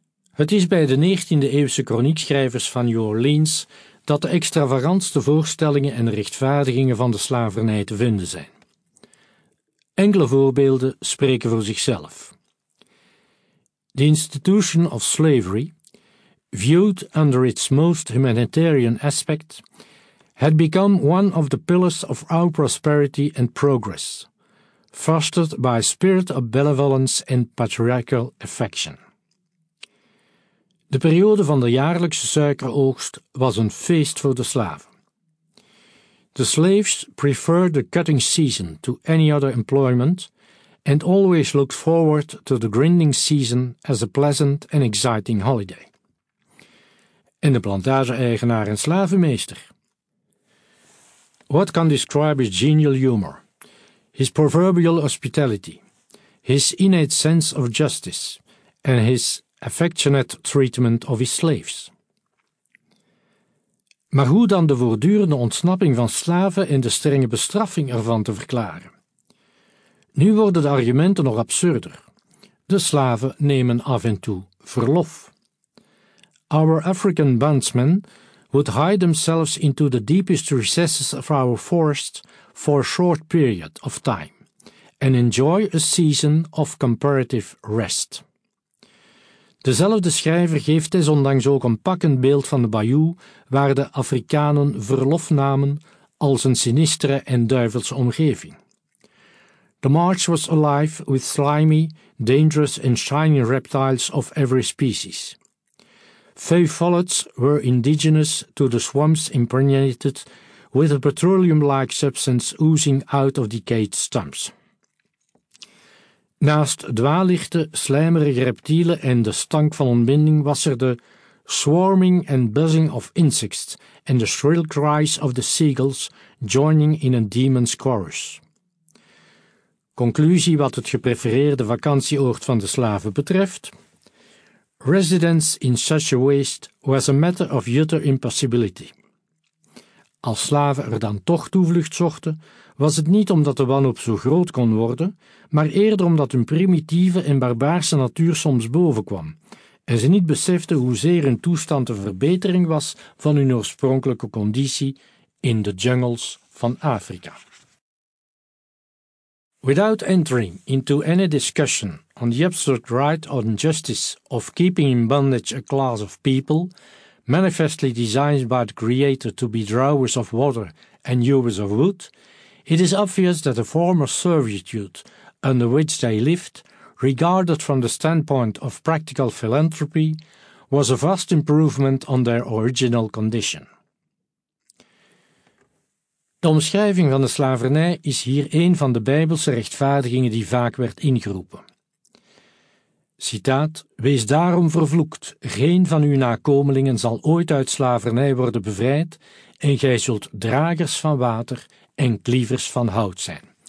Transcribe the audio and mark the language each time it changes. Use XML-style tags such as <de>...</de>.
<nl>Het is bij de 19e-eeuwse kroniekschrijvers van New Orleans dat de extravagantste voorstellingen en rechtvaardigingen van de slavernij te vinden zijn. Enkele voorbeelden spreken voor zichzelf.</nl> <en>The institution of slavery, viewed under its most humanitarian aspect, had become one of the pillars of our prosperity and progress, fostered by a spirit of benevolence and patriarchal affection.</en> <nl>De periode van de jaarlijkse suikeroogst was een feest voor de slaven.</nl> <en>The slaves preferred the cutting season to any other employment and always looked forward to the grinding season as a pleasant and exciting holiday.</en> <nl>En de plantage-eigenaar en slavenmeester.</nl> <en>What can describe his genial humor, his proverbial hospitality, his innate sense of justice, and his affectionate treatment of his slaves?</en> <nl>Maar hoe dan de voortdurende ontsnapping van slaven en de strenge bestraffing ervan te verklaren? Nu worden de argumenten nog absurder. De slaven nemen af en toe verlof.</nl> <en>Our African bondsmen would hide themselves into the deepest recesses of our forest for a short period of time and enjoy a season of comparative rest.</en> <nl>Dezelfde schrijver geeft desondanks ook een pakkend beeld van de bayou waar de Afrikanen verlof namen als een sinistere en duivelse omgeving.</nl> <en>The marsh was alive with slimy, dangerous and shiny reptiles of every species. Few follets were indigenous to the swamps impregnated with a petroleum-like substance oozing out of decayed stumps.</en> <nl>Naast dwaallichten, slijmerige reptielen en de stank van ontbinding was er de</nl> <en>swarming and buzzing of insects and the shrill cries of the seagulls joining in a demon's chorus.</en> <nl>Conclusie wat het geprefereerde vakantieoord van de slaven betreft.</nl> <en>Residence in such a waste was a matter of utter impossibility.</en> <nl>Als slaven er dan toch toevlucht zochten, was het niet omdat de wanhoop zo groot kon worden, maar eerder omdat hun primitieve en barbaarse natuur soms bovenkwam en ze niet beseften hoezeer hun toestand een verbetering was van hun oorspronkelijke conditie in de jungles van Afrika.</nl> <en>Without entering into any discussion on the absolute right or injustice of keeping in bondage a class of people, manifestly designed by the Creator to be drawers of water and hewers of wood, it is obvious that the form of servitude under which they lived, regarded from the standpoint of practical philanthropy, was a vast improvement on their original condition.</en> <nl>De omschrijving van de slavernij is hier een van de Bijbelse rechtvaardigingen die vaak werd ingeroepen. Citaat: wees daarom vervloekt, geen van uw nakomelingen zal ooit uit slavernij worden bevrijd en gij zult dragers van water en klievers van hout zijn.</nl>